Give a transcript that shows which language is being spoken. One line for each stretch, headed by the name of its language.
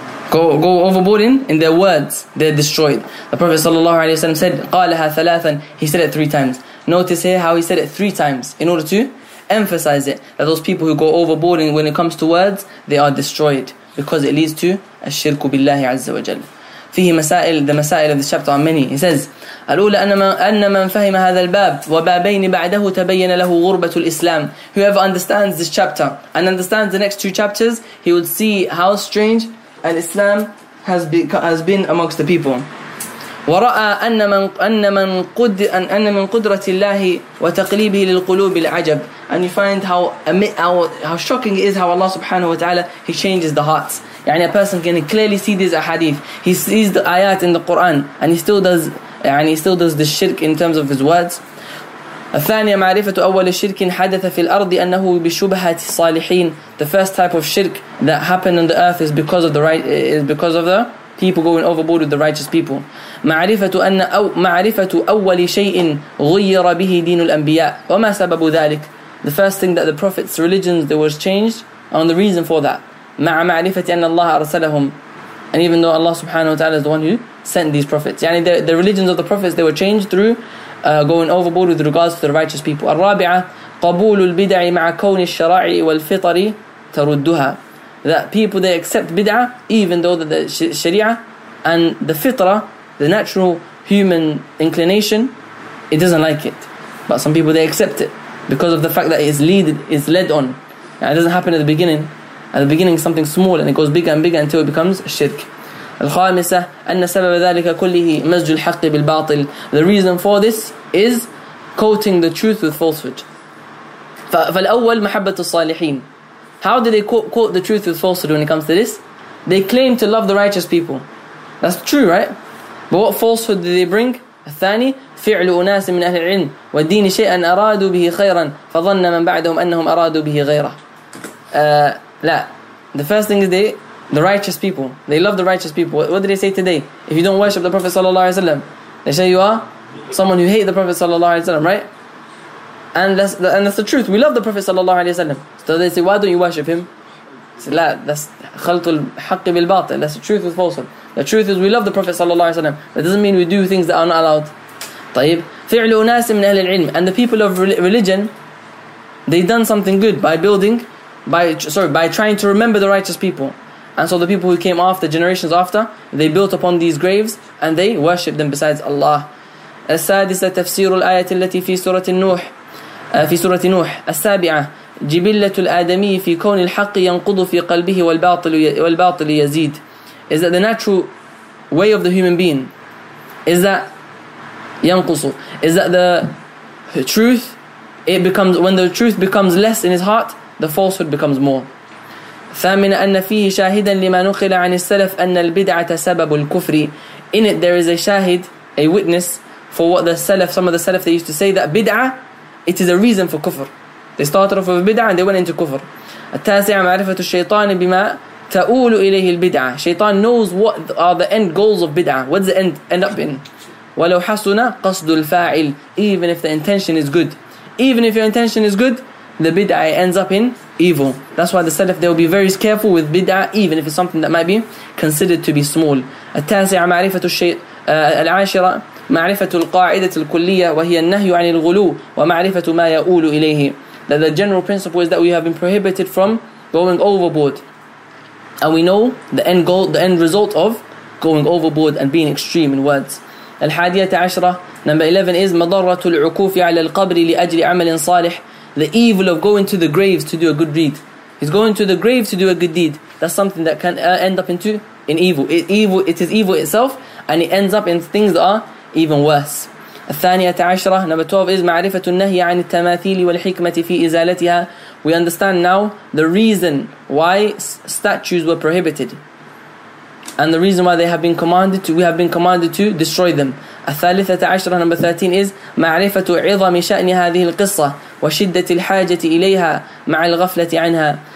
English: Go overboard in their words, they're destroyed. The Prophet sallallahu alaihi wasallam said,
Arabic: قالها ثلاثا,
English: he said it three times. Notice here how he said it three times in order to emphasize it, that those people who go overboard when it comes to words, they are destroyed, because it leads to
Arabic: الشرك بالله عز وجل. فيه مسائل,
English: the
Arabic: مسائل
English: of this chapter are many. He says,
Arabic: الأولى أن من فهم هذا الباب وبابين بعده تبين له غربة الإسلام.
English: Whoever understands this chapter and understands the next two chapters, he would see how strange an Islam has been amongst the people.
Arabic: ورأى أن من قدرة الله وتقليبه للقلوب العجب.
English: And you find how shocking it is how Allah subhanahu wa ta'ala, He changes the hearts. يعني a person can clearly see these ahadith. He sees the ayat in the Quran and he still does the shirk in terms of his words.
Arabic: الثانية معرفة أول شرك حدث في الأرض أنه بشبهة الصالحين.
English: The first type of shirk that happened on the earth is because of the people going overboard with the righteous people.
Arabic: معرفة أول شيء غير به دين الأنبياء وما سبب ذلك.
English: The first thing that the prophets' religions there was changed, and the reason for that.
Arabic: مع معرفة أن الله أرسلهم.
English: And even though Allah subhanahu wa ta'ala is the one who sent these prophets. يعني the religions of the prophets, they were changed through going overboard with regards to the righteous people.
Arabic: الرابعة قبول البدع مع كون الشرع والفطر تردها.
English: That people, they accept bid'ah even though the sharia and the fitra, the natural human inclination, it doesn't like it. But some people, they accept it because of the fact that it is led on. Now, it doesn't happen at the beginning. At the beginning, something small and it goes bigger and bigger until it becomes shirk.
Arabic: الخامسة أن سبب ذلك كله مزج الحق بالباطل.
English: The reason for this is quoting the truth with falsehood.
Arabic: فالأول محبة الصالحين.
English: How do they quote the truth with falsehood when it comes to this? They claim to love the righteous people. That's true, right? But what falsehood do they bring?
Arabic: الثاني فعل أناس من أهل العلم والدين شيئا أرادوا به خيرا فظن من بعدهم أنهم أرادوا به غيره.
English: لا. The first thing is the righteous people. They love the righteous people. What do they say today? If you don't worship the Prophet صلى الله عليه وسلم, they say you are someone who hate the Prophet صلى الله عليه وسلم, right? And that's the truth. We love the Prophet sallallahu alaihi wasallam. So they say, why don't you worship him? Say, لا, that's
Arabic: خلط الحق بالباطل.
English: That's the truth with falsehood. The truth is, we love the Prophet sallallahu alaihi wasallam. That doesn't mean we do things that are not allowed.
Arabic: طيب فعل أناس من أهل العلم.
English: And the people of religion, they done something good by trying to remember the righteous people. And so the people who came after, generations after, they built upon these graves and they worshipped them besides Allah.
Arabic: السادسة تفسير الآية التي في سورة النوح. في سورة نوح السابعة جبلة الآدمي في كون الحق ينقض في قلبه والباطل يزيد.
English: Is that the natural way of the human being? Is that ينقص? Is that the truth? It becomes, when the truth becomes less in his heart, the falsehood becomes more.
Arabic: ثامن أن فيه شاهدا لما نقل عن السلف أن البدعة سبب الكفر.
English: In it there is a witness for what some of the Salaf they used to say, that بدعة, it is a reason for kufr. They started off with bid'ah and they went into kufr.
Arabic: التاسع معرفة الشيطان بما تؤول إليه البدعة.
English: Shaitan knows what are the end goals of bid'ah. What does it end up in?
Arabic: ولو حسن قصد الفاعل.
English: Even if the intention is good. Even if your intention is good, the bid'ah ends up in evil. That's why the Salaf, they will be very careful with bid'ah, even if it's something that might be considered to be small.
Arabic: التاسع معرفة العاشرة معرفة القاعدة الكلية وهي النهي عن الغلو ومعرفة ما يؤول إليه.
English: That the general principle is that we have been prohibited from going overboard, and we know the end goal, the end result of going overboard and being extreme in words.
Arabic: الحادية عشرة
English: number 11 is
Arabic: مضرة العكوف على القبر لأجل عمل صالح.
English: The evil of going to the graves to do a good deed. He's going to the grave to do a good deed. That's something that can end up in evil. It is evil itself, and it ends up in things that are even worse.
Arabic: الثانية عشرة
English: number 12 is
Arabic: معرفة النهي عن التماثيل والحكمة في إزالتها.
English: We understand now the reason why statues were prohibited, and the reason why we have been commanded to destroy them.
Arabic: الثالثة عشرة
English: number 13 is
Arabic: معرفة عظم شأن هذه القصة وشدة الحاجة إليها مع الغفلة عنها.